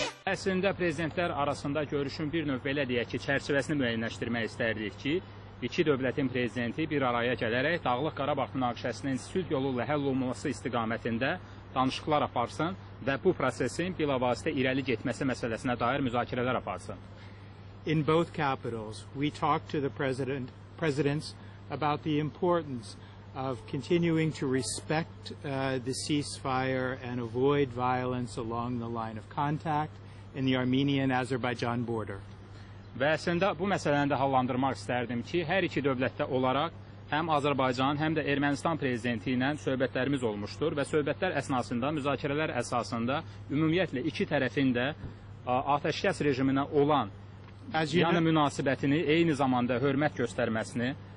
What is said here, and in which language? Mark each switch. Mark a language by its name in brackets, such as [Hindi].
[Azerbaijani] Əslində, prezidentlər arasında görüşün bir növ belə deyək ki, çərçivəsini müəyyənləşdirmək istərdik ki, iki dövlətin prezidenti bir araya gələrək Dağlıq Qarabağ münaqişəsinin sülh yolu ilə həll olunması istiqamətində danışıqlar aparsın və bu prosesin bilavasitə irəli getməsi məsələsinə dair müzakirələr aparsın. [English] In both capitals, we talked to the presidents about the importance of continuing to respect the ceasefire and avoid violence along the line of contact in the Armenian-Azerbaijan border. [Azerbaijani] Və əslində bu məsələni də hallandırmaq istərdim ki, hər iki dövlətdə olaraq həm Azərbaycan, həm də Ermənistan prezidenti ilə söhbətlərimiz olmuşdur və söhbətlər əsnasında, müzakirələr əsasında ümumiyyətlə iki tərəfin də atəşkəs rejiminə olan yəni münasibətini, eyni zamanda hörmət göstərməsini